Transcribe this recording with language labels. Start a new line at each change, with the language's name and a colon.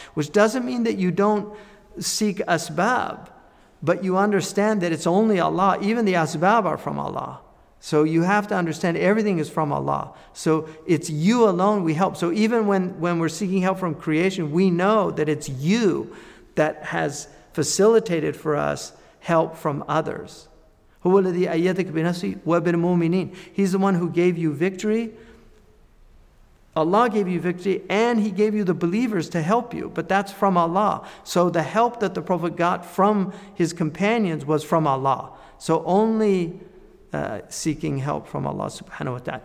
English: Which doesn't mean that you don't seek asbab, but you understand that it's only Allah. Even the asbab are from Allah. So you have to understand everything is from Allah. So it's you alone we help. So even when we're seeking help from creation, we know that it's you that has facilitated for us help from others.
Arabic: هو الذي أيدك بنفسه وبالمؤمنين.
English: He's the one who gave you victory. Allah gave you victory and he gave you the believers to help you. But that's from Allah. So the help that the Prophet got from his companions was from Allah. So only seeking help from Allah subhanahu wa ta'ala.